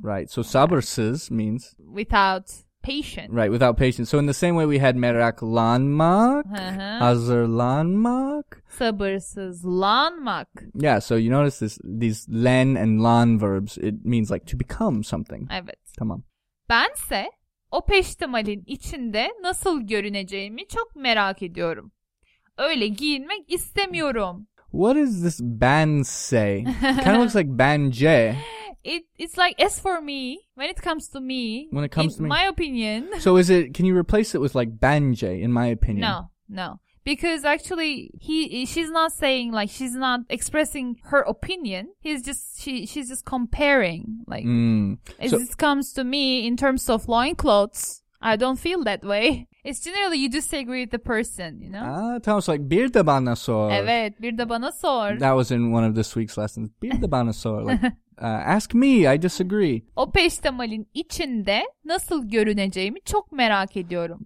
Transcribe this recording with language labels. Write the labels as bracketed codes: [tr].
[en] Right. So sabırsız means? Without patience. Right. Without patience. So in the same way we had meraklanmak, uh-huh. [tr] Hazırlanmak. Sabırsızlanmak. [en] Yeah. So you notice this, these len and lan verbs. It means like to become something. [tr] Evet. Tamam. Bense o peştemalin içinde nasıl görüneceğimi çok merak ediyorum. Öyle giyinmek istemiyorum. [en] What is this ben say? It kind of looks like bence. It's like as for me, when it comes to me, when it comes in to me, my opinion. So is it, can you replace it with like bence, in my opinion? No. Because actually, she's not saying, like, she's not expressing her opinion. She's just comparing. Like, as this comes to me in terms of loincloths, I don't feel that way. It's generally you disagree with the person, you know? [tr] Tamam, [en] so like [tr] bir de bana sor. Evet, bir de bana sor. [en] That was in one of this week's lessons. [tr] Bir de bana sor. [en] Like, ask me, I disagree. [tr] O peştemalin içinde nasıl görüneceğimi çok merak ediyorum.